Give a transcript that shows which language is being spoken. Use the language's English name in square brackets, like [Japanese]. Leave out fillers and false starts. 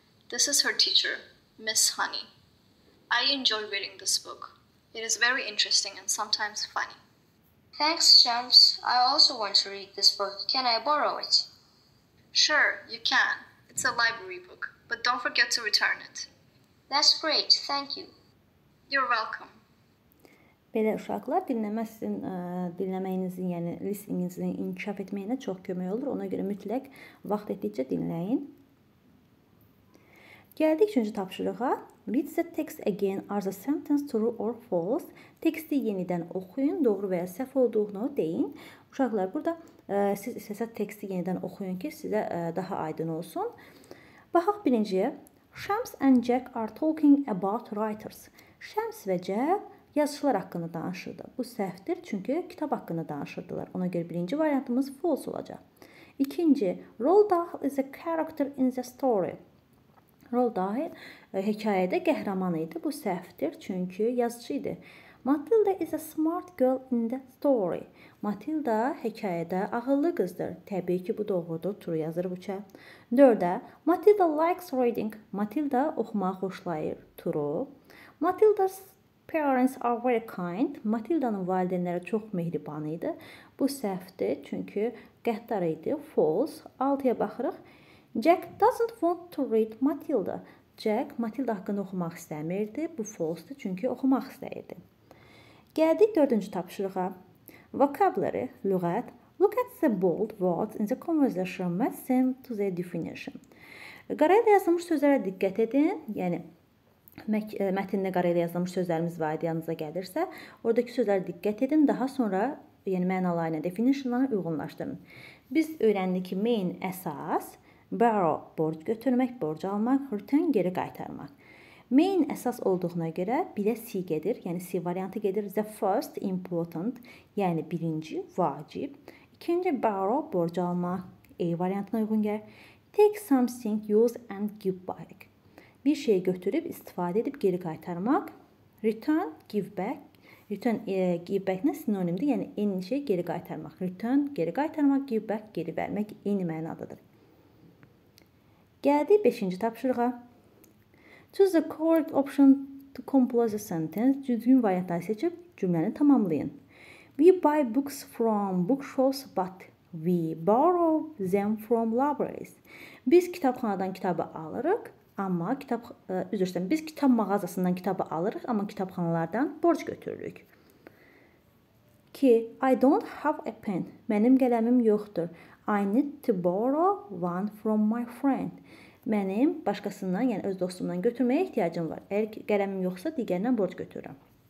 [English] This is her teacher, Miss Honey. I enjoy reading this book. It is very interesting and sometimes funny. Thanks, Shams. I also want to read this book. Can I borrow it? Sure, you can. It's a library book, but don't forget to return it. That's great. Thank you. You're welcome. [Azerbaijani] Belə uşaqlar dinləməyinizin, yəni listeninizin inkişaf etməyinə çox kömək olur. Ona görə mütləq vaxt etdikcə dinləyin. Gəldik üçüncü tapşırığa. [English] Read the text again as a sentence, true or false. [Azerbaijani] Teksti yenidən oxuyun, doğru və ya səhv olduğunu deyin. Uşaqlar, burada siz istəsə teksti yenidən oxuyun ki, sizə daha aydın olsun. Baxaq birinciyə. [English] Shams and Jack are talking about writers. [Azerbaijani] Shams və Jack yazıçılar haqqında danışırdı. Bu səhvdir, çünki kitab haqqında danışırdılar. Ona görə birinci variantımız false olacaq. İkinci, [English] Roald Dahl is a character in the story. [Azerbaijani] Roald Dahl hekayədə qəhrəman idi. Bu səhvdir, çünki yazıçı idi. [English] Matilda is a smart girl in the story. [Azerbaijani] Matilda hekayədə ağıllı qızdır. Təbii ki, bu doğrudur. True yazır bu çəhv. Dördə, [English] Matilda likes reading. [Azerbaijani] Matilda oxumağı xoşlayır. [English] True. Matilda's parents are very kind. [Azerbaijani] Matilda'nın valideynləri çox mehriban idi. Bu səhvdir, çünki qəddar idi. False. Altıya baxırıq. [English] Jack doesn't want to read Matilda. [Azerbaijani] Jack Matilda haqqında oxumaq istəmirdi. Bu false-dir, çünki oxumaq istəyirdi. Gəldik dördüncü tapşırığa. Vocabulary, lüğət. [English] Look at the bold words in the conversation might seem to the definition. [Azerbaijani] Qarayla yazılmış sözlərə diqqət edin. Yəni, mətnində qarayla yazılmış sözlərimiz var idi yanınıza gəlirsə, oradakı sözlərə diqqət edin. Daha sonra, yəni mənalarına, definitionlarına uyğunlaşdırın. Biz öyrəndik ki, main əsas, borrow, borc götürmək, borc almaq, return, geri qaytarmaq. Main əsas olduğuna görə bir də C gedir, yəni C variantı gedir. [English] The first, important, [Azerbaijani] yəni birinci, vacib. İkinci, borrow, borc almaq, A variantına uyğun gəlir. [English] Take something, use and give back. [Azerbaijani] Bir şeyi götürüb, istifadə edib, geri qaytarmaq. [English] Return, give back. [Azerbaijani] Return, give back-nə sinonimdir, yəni eyni şey geri qaytarmaq. Return, geri qaytarmaq, give back, geri vermək eyni mənadadır. Gəldik 5-ci tapşırığa. [English] Choose the correct option to complete the sentence. [Azerbaijani] Düzgün variantları seçib cümləni tamamlayın. [English] We buy books from bookshops, but we borrow them from libraries. [Azerbaijani] Biz kitabxanadan kitabı alırıq. Amma kitab, üzr istəyirəm, biz kitab mağazasından kitabı alırıq, amma kitabxanalardan borc götürürük. [English] Ki, I don't have a pen. [Azerbaijani] Mənim qələmim yoxdur. [English] I need to borrow one from my friend. [Azerbaijani] Mənim başqasından, yəni öz dostumdan götürməyə ehtiyacım var. Əgər qələmim yoxsa, digərindən borc götürürəm.